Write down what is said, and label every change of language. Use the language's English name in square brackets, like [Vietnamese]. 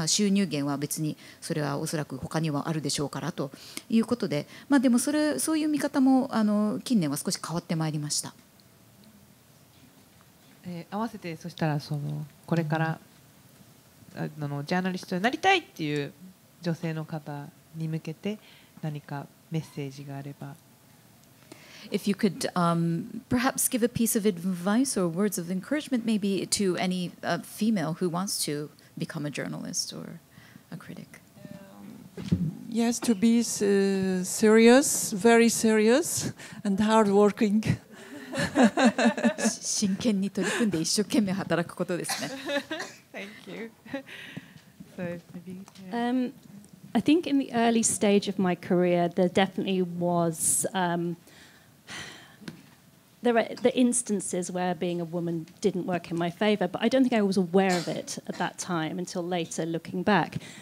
[Japanese] 収入源は別にそれはおそらく他にはあるでしょうからということで、でもそういう見方も近年は少し変わってまいりました。合わせてそしたらこれからジャーナリストになりたいっていう女性の方に向けて何かメッセージがあれば。 [English] If you could perhaps give a piece of advice or words of encouragement maybe to any female who wants to become a journalist or a critic. Yes, to be serious, very serious and hardworking. [Japanese] 真剣に取り組んで一生懸命働くことですね。 [English] Thank you. So maybe. I think in the early stage of my career, there definitely was there are the instances where being a woman didn't work in my favor, but I don't think I was aware of it at that time until later, looking back.